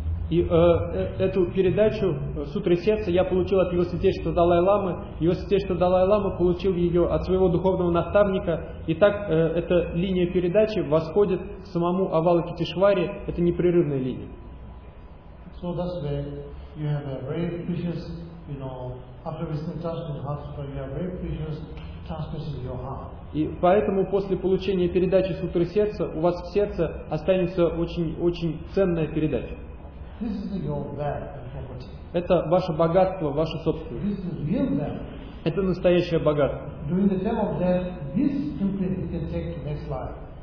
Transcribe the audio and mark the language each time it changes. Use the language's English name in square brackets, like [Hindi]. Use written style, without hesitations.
[Russian] И эту передачу сутры сердца я получил от его святейшества Далай-ламы. Его святейшество Далай-лама получил ее от своего духовного наставника. И так эта линия передачи восходит к самому Авалокитешваре. Это непрерывная линия. [English] So that's where you have a very precious, you know, after receiving transmission heart sutra, you have a very precious transmission in your heart. [Russian] И поэтому после получения передачи сутры сердца у вас в сердце останется очень-очень ценная передача. [English] This is your wealth and property. [Russian] Это ваше богатство, ваше собственное. [English] This is real wealth. [Russian] Это настоящее богатство. [English] During the time of death, this imprint you can take to next life.